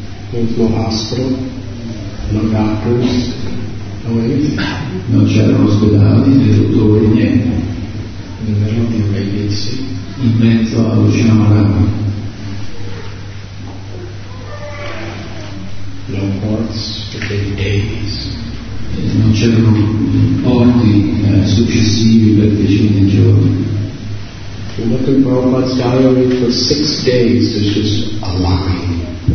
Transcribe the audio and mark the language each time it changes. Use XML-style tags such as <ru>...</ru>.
<en>There was no hospital, no doctors, no anything.</en> <it>Non c'erano ospedali, né dottori, niente.</it> <en>In the middle of the Arabian Sea.</en> <it>In mezzo all'oceano arabo.</it> <en>No ports for many days.</en> <it>Non c'erano porti successivi per decine di giorni.</it> <en>We look in Prabhupada's diary for 6 days, it's just a line.</en>